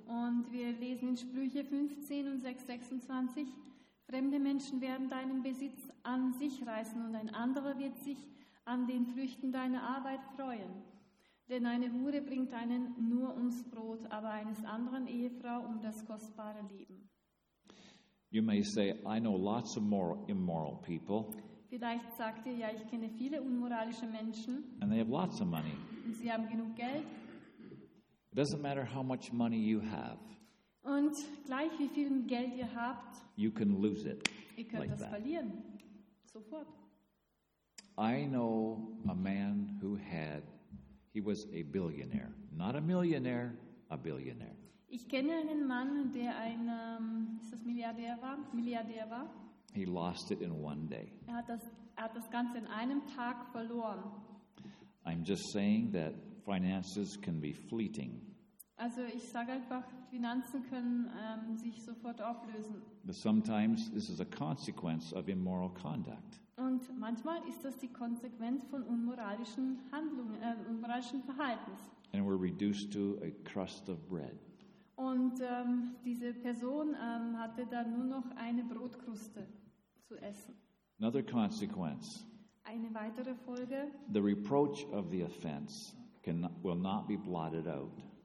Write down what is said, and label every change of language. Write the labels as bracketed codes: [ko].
[de] Und wir lesen in Sprüche 15 und 6:26: Fremde Menschen werden deinen Besitz an sich reißen und ein anderer wird sich an den Früchten deiner Arbeit freuen. Denn eine Hure bringt einen nur ums Brot, aber eines anderen Ehefrau um das kostbare Leben. [en] You may say, I know lots of moral, immoral people. [de] Vielleicht sagt ihr, ja, ich kenne viele unmoralische Menschen. [en] And they have lots of money. [de] Und sie haben genug Geld. [en] It doesn't matter how much money you have. [de] Und gleich wie viel Geld ihr habt. [en] You can lose it. [de] Ihr könnt [en] like [de] das [en] that. [de] Verlieren. Sofort. [en] I know a man who had, he was a billionaire. Not a millionaire, a billionaire. [de] Ich kenne einen Mann, der ein ist das Milliardär war. Milliardär war. [en] He lost it in one day. [de] Er hat das Ganze in einem Tag verloren. [en] I'm just saying that finances can be fleeting. [de] Also ich sage einfach, Finanzen können sich sofort auflösen. [en] But sometimes this is a consequence of immoral conduct. [de] Und manchmal ist das die Konsequenz von unmoralischen Handlungen, unmoralischen Verhaltens. [en] And we're reduced to a crust of bread. [de] Und diese Person hatte dann nur noch eine Brotkruste zu essen. [en] Another consequence. [de] Eine weitere Folge. [en] The reproach of the offense will not be blotted out.